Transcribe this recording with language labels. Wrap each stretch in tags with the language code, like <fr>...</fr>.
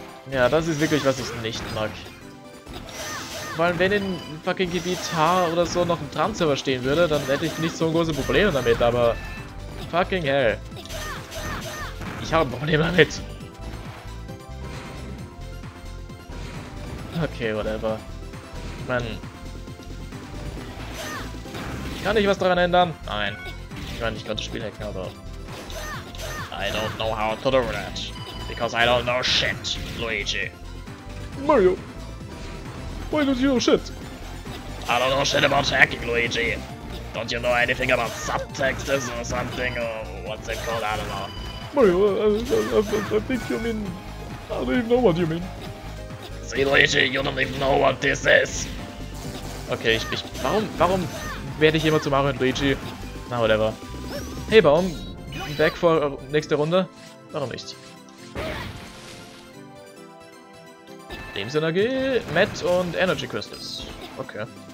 <de>Ja, das ist wirklich, was ich nicht mag. Vor allem, wenn in fucking Gebiet H oder so noch ein Transserver stehen würde, dann hätte ich nicht so große Probleme damit, aber...</de> <en>fucking hell.</en> <de>Ich habe ein Problem damit.</de> <en>Okay, whatever.</en> <de>Ich meine... kann ich was daran ändern? Nein. Ich meine, ich könnte das Spiel hacken, aber...</de> <en>I don't know how to do that. Because I don't know shit, Luigi. Mario! Why don't you know shit? I don't know shit about hacking, Luigi. Don't you know anything about subtexts or something, or what's it called? I don't know. Mario, I think you mean... I don't even know what you mean. See, Luigi, you don't even know what this is.</en> <de>Okay, ich... Warum werde ich immer zu Mario und Luigi? Na, whatever. Hey, Baum.</de> <en>Back for</en> <de>nächste Runde? Warum nicht? Lebensenergie, Matt und Energy Crystals. Okay.</de>